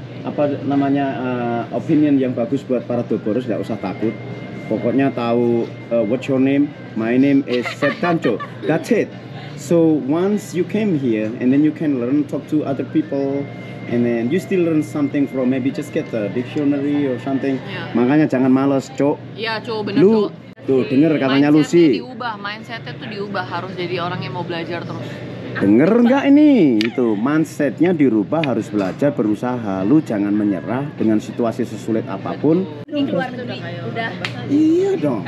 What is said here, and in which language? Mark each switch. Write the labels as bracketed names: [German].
[Indonesian] Apa namanya opinion yang bagus buat para doborus, gak usah takut. Pokoknya tahu [English] what's your name? My name is Seth Tancho. That's it. So once you came here and then you can learn, talk to other people, and then you still learn something from maybe just get a dictionary or something. Yeah. [Indonesian] Makanya jangan malas, Cok. Iya, yeah, Cok, bener, Cok. Tuh, denger katanya Lucy. Mindsetnya tuh diubah, harus jadi orang yang mau belajar terus. Dengar enggak ini? Itu mindsetnya dirubah, harus belajar, berusaha. Lu jangan menyerah dengan situasi sesulit apapun. Ini keluar negeri, udah. Iya dong.